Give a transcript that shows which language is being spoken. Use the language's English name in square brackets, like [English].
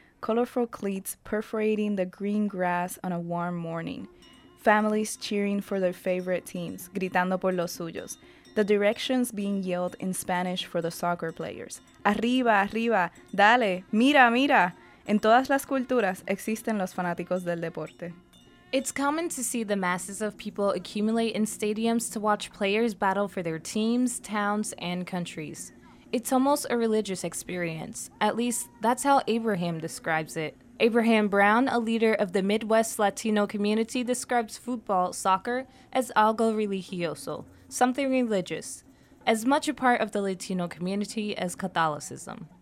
[English] Colorful cleats perforating the green grass on a warm morning. Families cheering for their favorite teams, [Spanish] gritando por los suyos. [English] The directions being yelled in Spanish for the soccer players. [Spanish] Arriba, arriba, dale, mira, mira. En todas las culturas existen los fanáticos del deporte. [English] It's common to see the masses of people accumulate in stadiums to watch players battle for their teams, towns, and countries. It's almost a religious experience. At least, that's how Abraham describes it. Abraham Brown, a leader of the Midwest Latino community, describes football, soccer, as [Spanish] algo religioso, [English] something religious, as much a part of the Latino community as Catholicism.